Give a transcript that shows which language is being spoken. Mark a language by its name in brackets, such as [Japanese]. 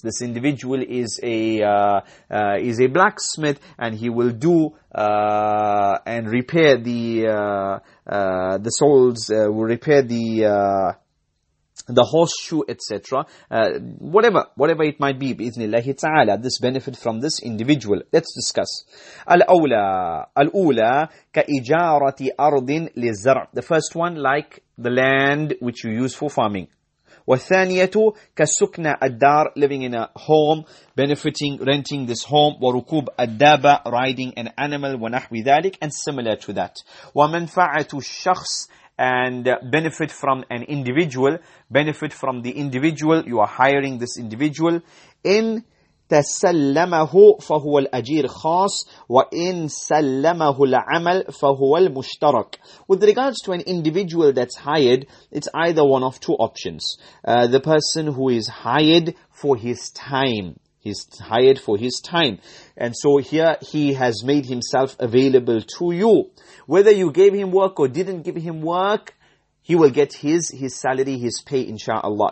[English] This individual is a blacksmith and he will do and repair the soles, will repair the horseshoe, etc. Whatever it might be, بإذنالله تعالى, this benefit from this individual. Let's discuss. [Arabic] الأولى كإجارة أرض للزرع. [English] The first one, like the land which you use for farming. [Arabic] والثانية كسكن الدار, [English] living in a home, benefiting, renting this home. [Arabic] وركوب الدابة, [English] riding an animal, [Arabic] ونحو ذلك, [English] and similar to that. [Arabic] ومنفعة الشخص, [English] and benefit from an individual, benefit from the individual, you are hiring this individual. [Arabic] إن تسلمه فهو الأجير خاص وإن سلمه العمل فهو المشترك. [English] With regards to an individual that's hired, it's either one of two options. The person who is hired for his time, He's hired for his time. And so here he has made himself available to you. Whether you gave him work or didn't give him work, he will get his salary, his pay, inshallah.